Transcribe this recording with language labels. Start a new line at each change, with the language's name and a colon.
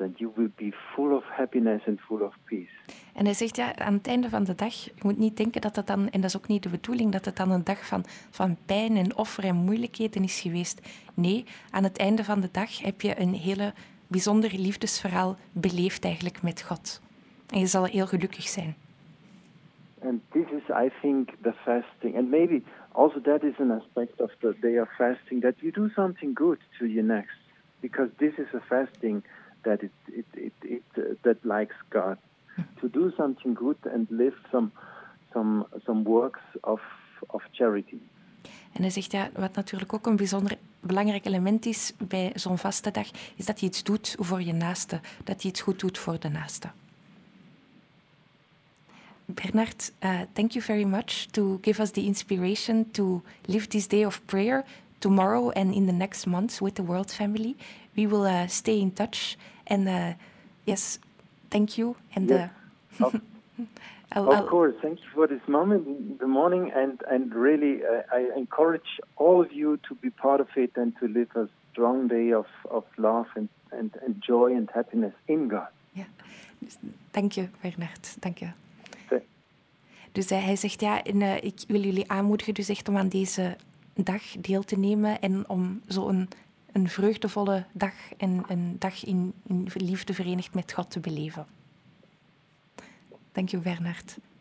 English: And you will be full of happiness and full of peace.
Dutch: En hij zegt, ja, aan het einde van de dag, je moet niet denken dat het dan, en dat is ook niet de bedoeling, dat het dan een dag van pijn en offer en moeilijkheden is geweest. Nee, aan het einde van de dag heb je een hele bijzonder liefdesverhaal beleefd eigenlijk met God. En je zal heel gelukkig zijn.
English: And this is, I think, the fasting. And maybe also that is an aspect of the day of fasting, that you do something good to your next. Because this is a fasting that that likes God. To do something good and live some works of charity.
Dutch: En hij zegt, ja, wat natuurlijk ook een bijzonder belangrijk element is bij zo'n vaste dag, is dat je iets doet voor je naaste, dat je iets goed doet voor de naaste.
English: Bernard, thank you very much to give us the inspiration to live this day of prayer tomorrow and in the next months with the World Family. We will stay in touch and yes, thank you. And yes. Of course, thank you for this moment in the morning, and really I encourage all of you to be part of it and to live a strong day of love and joy and happiness in God. Yeah. Thank you, Bernard. Thank you.
Dutch: Dus hij zegt, ja, en, ik wil jullie aanmoedigen dus echt om aan deze dag deel te nemen en om zo een vreugdevolle dag en een dag in liefde verenigd met God te beleven. Dank u, Bernard.